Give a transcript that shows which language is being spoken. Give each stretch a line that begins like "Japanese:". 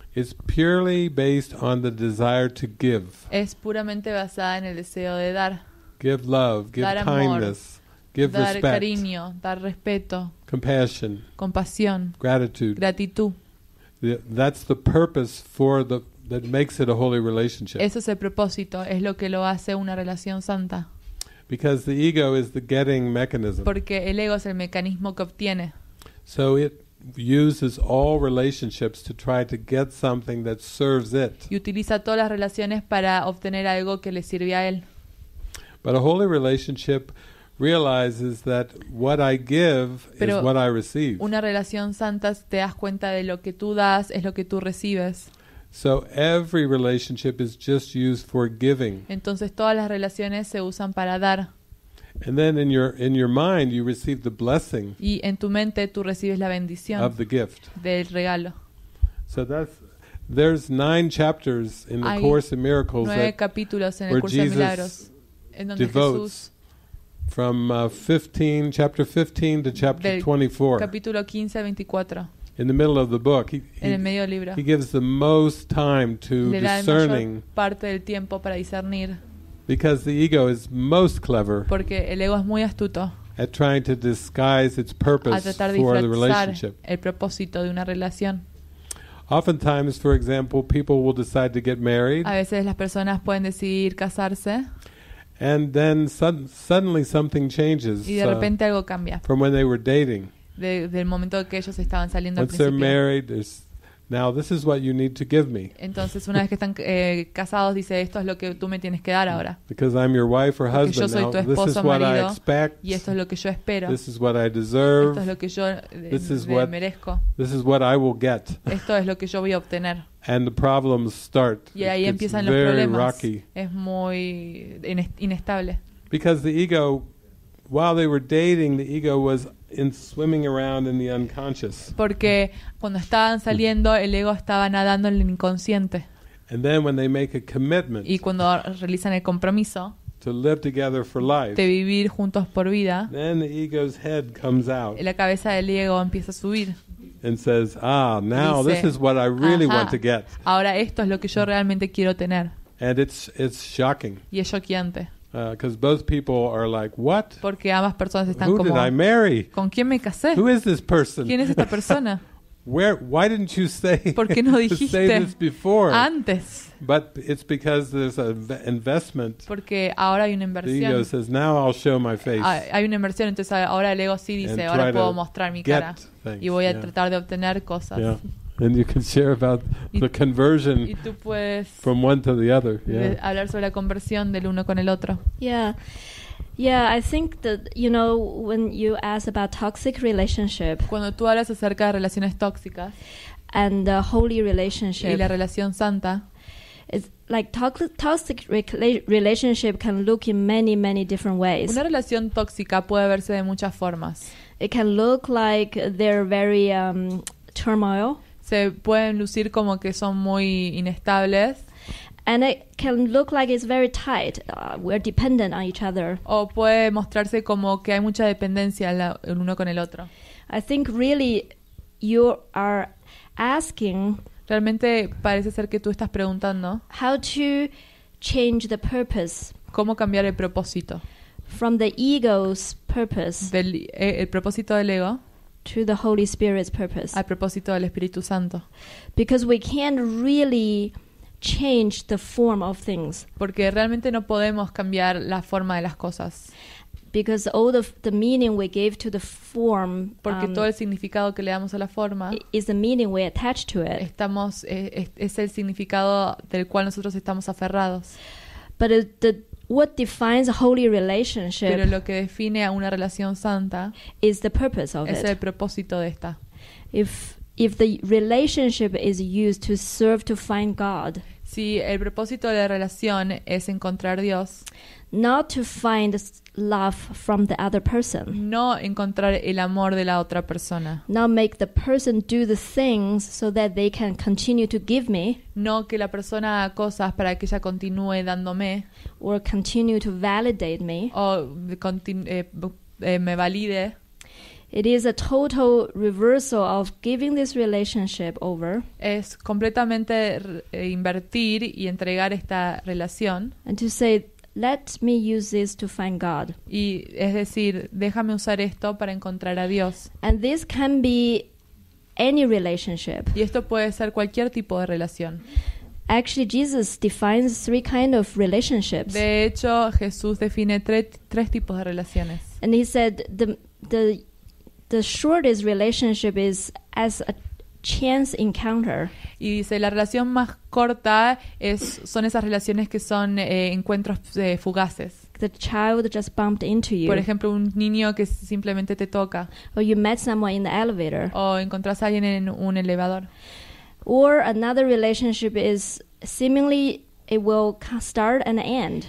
English: Is purely based on the desire to give.
Spanish: Es puramente basada en el deseo de dar.
English: Give love, give
Spanish: dar amor,
English: kindness, give
Spanish: dar
English: respect.
Spanish: Dar cariño, dar respeto.
English: Compassion.
Spanish: Compasión.
English: Gratitude.
Spanish: Gratitud.
English: That's the purpose for the that makes it a holy relationship.
Spanish: Ese es el propósito, es lo que lo hace una relación santa.
English: Because the ego is the getting mechanism.
Spanish: Porque el ego es el mecanismo que obtiene.
English: So it uses all relationships to try to get something that serves it.
Spanish: Y utiliza todas las relaciones para obtener algo que le sirve a él.
English: But a holy relationship realizes that what I give
Spanish: pero
English: is what I receive.
Spanish: Una relación santa te das cuenta de lo que tú das es lo que tú recibes.
English: So every relationship is just used for giving.
Spanish: Entonces todas las relaciones se usan para dar.
English: And then in your mind you receive the blessing.
Spanish: Y en tu mente tú recibes la bendición
English: of the gift.
Spanish: Del regalo.
English: So there's 9 chapters in the Course in Miracles.
Spanish: Hay 9 capítulos en el curso de milagros en donde
English: devotes
Spanish: Jesús
English: from 15 chapter 15 to chapter 24.
Spanish: Capítulo 15 a 24.
English: In the middle of the book
Spanish: en el medio del libro.
English: He gives the most time to discerning.
Spanish: Le da la mayor parte del tiempo para discernir.
English: Because the ego is most clever.
Spanish: Porque el ego es muy astuto.
English: At trying to disguise its purpose for the relationship.
Spanish: El propósito de una relación.
English: Oftentimes, for example, people will decide to get married.
Spanish: A veces las personas pueden decidir casarse.
English: And then suddenly something changes.
Spanish: Y de repente algo cambia.
English: From when they were dating.
Spanish: Del momento que ellos estaban saliendo.
English: Once they're married, there's now this is what you need to give me.
Spanish: Entonces una vez que están casados dice esto es lo que tú me tienes que dar ahora.
English: Because I'm your wife or husband now.
Spanish: Porque yo soy tu esposo, marido.
English: This is what I expect.
Spanish: Y esto es lo que yo espero.
English: This is what I deserve.
Spanish: Esto es lo que yo merezco.
English: This is what I will get.
Spanish: Esto es lo que yo voy a obtener.
English: And the problems start.
Spanish: Y ahí empiezan los problemas. Es muy inestable.
English: Because the ego, while they were dating, the ego was in swimming around in the unconscious.
Spanish: Porque cuando estaban saliendo el ego estaba nadando en el inconsciente.
English: And then when they make a commitment.
Spanish: Y cuando realizan el compromiso.
English: to live together for life,
Spanish: de vivir juntos por vida,
English: then the ego's head comes out.
Spanish: La cabeza del ego empieza a subir.
English: And says, "Ah, now
Spanish: dice,
English: this is what I really want to get."
Spanish: Ahora esto es lo que yo realmente quiero tener.
English: And it's shocking.
Spanish: Y es shockeante.
English: Because both people are like, what?
Spanish: Porque ambas personas están
English: Who
Spanish: como,
English: did I marry?
Spanish: ¿Con quién me casé?
English: Who is this person?
Spanish: ¿Quién es esta persona?
English: Where, why didn't you say,
Spanish: ¿Por qué no dijiste
English: say this before?
Spanish: Antes.
English: But it's because there's an investment.
Spanish: Porque ahora hay una inversión.
English: The ego says, now I'll show my face.
Spanish: Hay una inversión, entonces ahora el ego sí dice, ahora puedo mostrar mi cara.
English: Things.
Spanish: Y voy a tratar de obtener cosas.
English: Yeah. And you can share about the conversion from one to the other. Yeah.
Spanish: Hablar sobre la conversión del uno con el otro.
English: Yeah, yeah. I think that you know when you ask about toxic relationship.
Spanish: Cuando tú hablas acerca de relaciones tóxicas.
English: And the holy relationship.
Spanish: Y la relación santa.
English: It's like toxic relationship can look in many, many different ways.
Spanish: Una relación tóxica puede verse de muchas formas.
English: It can look like they're very turmoil.
Spanish: Se pueden lucir como que son muy inestables.
English: And it can look like it's very tight. We're dependent on each other.
Spanish: O puede mostrarse como que hay mucha dependencia el uno con el otro.
English: I think really you are asking.
Spanish: Realmente parece ser que tú estás preguntando.
English: How to change the purpose.
Spanish: ¿Cómo cambiar el propósito?
English: From the ego's purpose.
Spanish: El propósito del ego.
English: To the Holy Spirit's purpose.
Spanish: A propósito del Espíritu Santo.
English: Because we can't really change the form of things.
Spanish: Porque realmente no podemos cambiar la forma de las cosas.
English: Because all the meaning we give to the form.
Spanish: Porque todo el significado que le damos a la forma.
English: Is the meaning we attach to it.
Spanish: Estamos es el significado del cual nosotros estamos aferrados.
English: But what defines a holy relationship?
Spanish: Pero lo que define a una relación santa
English: is the purpose of
Spanish: es el propósito de esta.
English: If the relationship is used to serve to find God,
Spanish: si el propósito de la relación es encontrar Dios,
English: not to find love from the other person,
Spanish: no encontrar el amor de la otra persona,
English: not make the person do the things so that they can continue to give me,
Spanish: no que la persona haga cosas para que ella continúe dándome,
English: or continue to validate me,
Spanish: o me valide.
English: It is a total reversal of giving this relationship over.
Spanish: Es completamente invertir y entregar esta relación.
English: And to say, let me use this to find God.
Spanish: Y es decir, déjame usar esto para encontrar a Dios.
English: And this can be any relationship.
Spanish: Y esto puede ser cualquier tipo de relación.
English: Actually, Jesus defines three kinds of relationships.
Spanish: De hecho, Jesús define tres tipos de relaciones.
English: And he said, the shortest relationship is as a chance encounter.
Spanish: Y dice, la relación más corta son esas relaciones que son encuentros fugaces.
English: The child just bumped into you.
Spanish: Por ejemplo, un niño que simplemente te toca.
English: Or you met someone in the elevator.
Spanish: O encontrás a alguien en un elevador.
English: Or another relationship is seemingly it will start and end.